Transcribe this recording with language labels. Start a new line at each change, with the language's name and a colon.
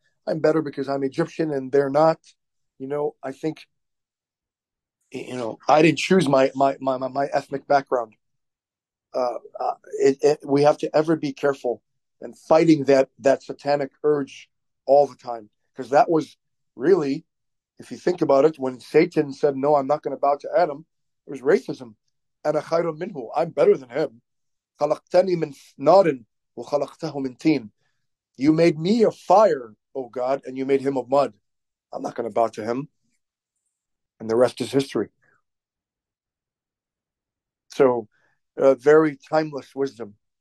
English: I'm better because I'm Egyptian and they're not. You know, I think, you know, I didn't choose my ethnic background. We have to ever be careful and fighting that satanic urge all the time. Because that was really, if you think about it, when Satan said, no, I'm not going to bow to Adam, it was racism.
Arabic: أنا خير منه.
English: I'm better than him.
Arabic: خلقتني من نار وخلقته من تين.
English: You made me of fire, oh God, and you made him of mud. I'm not going to bow to him. And the rest is history. So, very timeless wisdom.